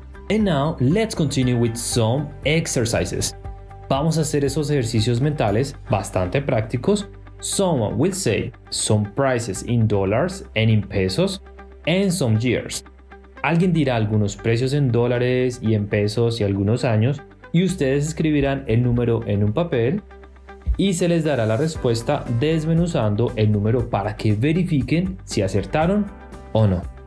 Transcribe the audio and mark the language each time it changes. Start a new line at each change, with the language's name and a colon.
English: And now, let's continue with some exercises.
Spanish: Vamos a hacer esos ejercicios mentales bastante prácticos.
English: Someone will say some prices in dollars and in pesos and some years.
Spanish: Alguien dirá algunos precios en dólares y en pesos y algunos años, y ustedes escribirán el número en un papel y se les dará la respuesta desmenuzando el número para que verifiquen si acertaron o no.